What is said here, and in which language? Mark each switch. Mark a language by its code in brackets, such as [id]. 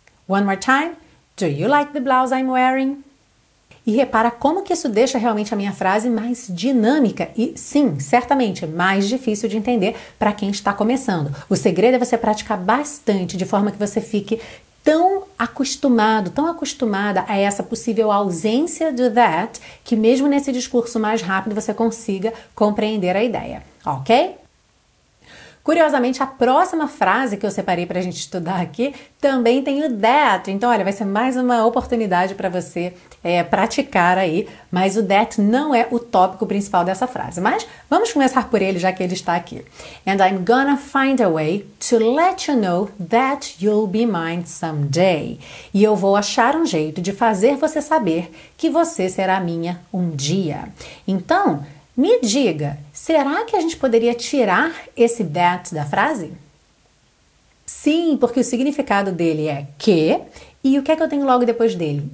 [en] One more time. Do you like the blouse I'm wearing? [pt] E repara como que isso deixa realmente a minha frase mais dinâmica e, sim, certamente, mais difícil de entender para quem está começando. O segredo é você praticar bastante, de forma que você fique tão acostumado, tão acostumada a essa possível ausência do that, que mesmo nesse discurso mais rápido você consiga compreender a ideia, ok? Curiosamente, a próxima frase que eu separei para a gente estudar aqui também tem o that. Então, olha, vai ser mais uma oportunidade para você praticar aí. Mas o that não é o tópico principal dessa frase. Mas vamos começar por ele, já que ele está aqui. [en] And I'm gonna find a way to let you know that you'll be mine someday. [pt] E eu vou achar um jeito de fazer você saber que você será minha um dia. Então, me diga, será que a gente poderia tirar esse that da frase? Sim, porque o significado dele é que, e o que é que eu tenho logo depois dele?